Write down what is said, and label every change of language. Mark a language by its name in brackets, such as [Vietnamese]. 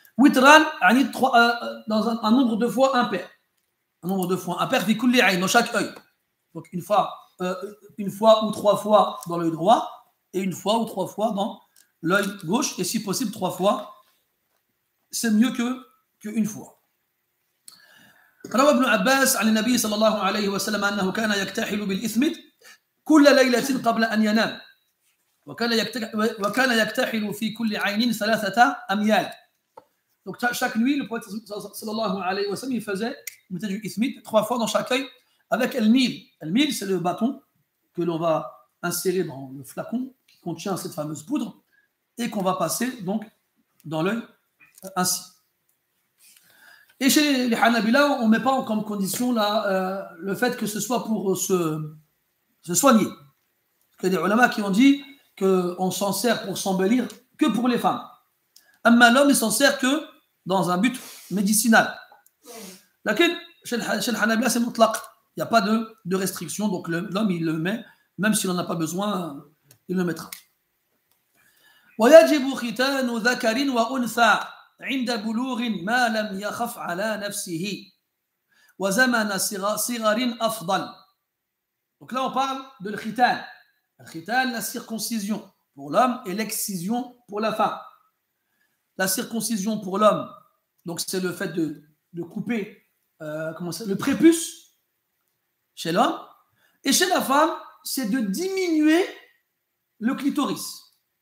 [French] Witran, dans un nombre de fois impair. Un nombre de fois impair, vikulli aïn, dans chaque œil. Donc, une fois ou trois fois dans l'œil droit, et une fois ou trois fois dans l'œil gauche, et si possible, trois fois, c'est mieux qu'une fois. [Arabic] روى ابن عباس عن النبي صلى الله عليه وسلم أنه كان يكتحل بالإثمد كل ليلة قبل أن ينام وكان يكتحل في كل عين ثلاثة أميال. [French] Donc chaque nuit le prophète [Arabic] صلى الله عليه وسلم [French] faisait du إثمد trois fois dans chaque œil avec الميل. الميل c'est le bâton que l'on va insérer dans le flacon qui contient cette fameuse poudre et qu'on va passer donc dans l'œil ainsi. Et chez les Hanabila, on ne met pas comme condition là, le fait que ce soit pour se soigner. Parce qu'il y a des ulama qui ont dit qu'on s'en sert pour s'embellir que pour les femmes. Amma l'homme, il s'en sert que dans un but médicinal. Laquelle, chez les Hanabila, c'est mutlaq. Il n'y a pas de restriction. Donc l'homme, il le met, même s'il n'en a pas besoin, il le mettra. [Arabic] Wa yajibu khitanu dhakarin wa untha. عند بلوغ ما لم يخف على نفسه وزمن صغر افضل. [French] Donc là on parle de l'khitan. L'khitan, la circoncision pour l'homme et l'excision pour la femme. La circoncision pour l'homme, donc c'est le fait de couper le prépuce chez l'homme, et chez la femme c'est de diminuer le clitoris.